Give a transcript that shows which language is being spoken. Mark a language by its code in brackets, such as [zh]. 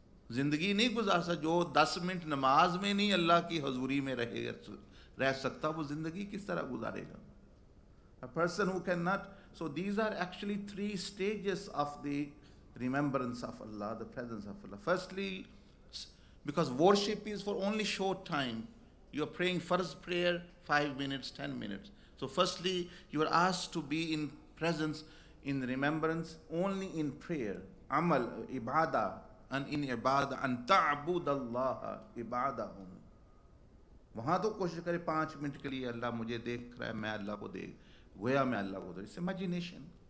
[ur] زندگی نہیں گزار سکتا جو دس منٹ نماز میں نہیں اللہ کی حضوری میں رہ سکتا وہ زندگی کس طرح گزارے گا. [en] A person who cannot, so these are actually three stages of the remembrance of Allah, the presence of Allah. Firstly, because worship is for only short time, you are praying first prayer, 5 minutes, 10 minutes. So firstly, you are asked to be in presence, in remembrance, only in prayer, amal, ibadah, and in ibadah, and ta'budallaha, ibadah. [ur] وہاں تو کوشش کرے پانچ minute کے لیے اللہ مجھے دیکھ رہا ہے میں اللہ کو دیکھ گویا میں اللہ کو دیکھ. [en] It's imagination.